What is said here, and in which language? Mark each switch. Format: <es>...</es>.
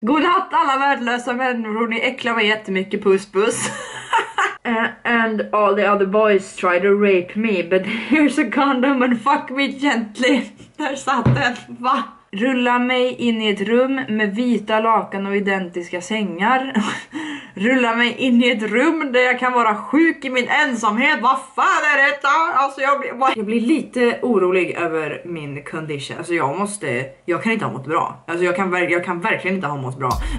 <sv>God natt alla värdelösa människor, ni äcklar mig jättemycket, puss puss.</sv> <en>And all the other boys try to rape me, but here's a condom and fuck me gently.</en> <sv>Där satt den, va? Rulla mig in i ett rum med vita lakan och identiska sängar. Rulla mig in i ett rum där jag kan vara sjuk i min ensamhet. Vad fan är detta? Alltså jag blir lite orolig över min condition. Alltså jag kan inte ha mått bra. Alltså jag kan verkligen inte ha mått bra.</sv>